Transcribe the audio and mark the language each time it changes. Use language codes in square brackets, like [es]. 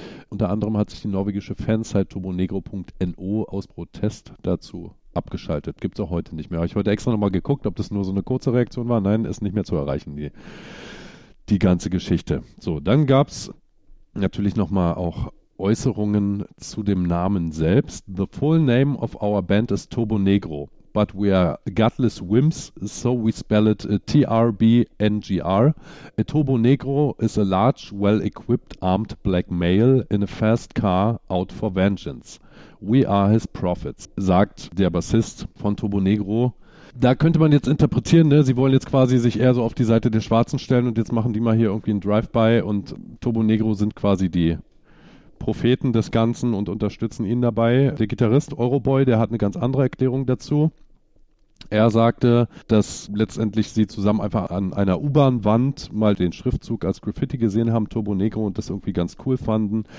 [de] Unter anderem hat sich die norwegische Fansite turbonegro.no aus Protest dazu abgeschaltet. Gibt es auch heute nicht mehr. Habe ich heute extra nochmal geguckt, ob das nur so eine kurze Reaktion war. Nein, ist nicht mehr zu erreichen, die ganze Geschichte. So, dann gab es natürlich nochmal auch Äußerungen zu dem Namen selbst. [en] The full name of our band is Turbo Negro, but we are gutless wimps, so we spell it TRBNGR. A Turbo Negro is a large, well-equipped, armed black male in a fast car out for vengeance. We are his prophets, [de] sagt der Bassist von Turbo Negro. Da könnte man jetzt interpretieren, ne? Sie wollen jetzt quasi sich eher so auf die Seite der Schwarzen stellen und jetzt machen die mal hier irgendwie ein Drive-by und Turbo Negro sind quasi die Propheten des Ganzen und unterstützen ihn dabei. Der Gitarrist Euroboy, der hat eine ganz andere Erklärung dazu. Er sagte, dass letztendlich sie zusammen einfach an einer U-Bahn-Wand mal den Schriftzug als Graffiti gesehen haben, Turbo Negro, und das irgendwie ganz cool fanden.